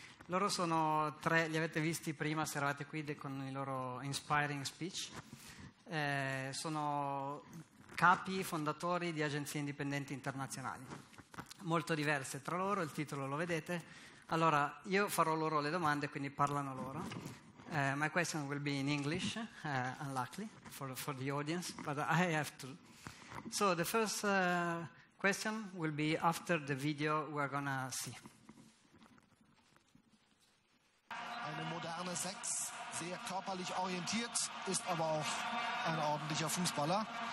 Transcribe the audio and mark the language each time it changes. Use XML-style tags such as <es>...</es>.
<it>Loro sono tre, li avete visti prima se eravate qui con i loro</it> <en>inspiring speech.</en> <it>Sono capi fondatori di agenzie indipendenti internazionali, molto diverse tra loro, il titolo lo vedete. Allora, io farò loro le domande, quindi parlano loro.</it> <en>My question will be in English, unluckily, for the audience, but I have to. So the first question will be after the video we're gonna see.</en> <de>Eine moderne Sechs, sehr körperlich orientiert, ist aber auch ein ordentlicher Fußballer.</de>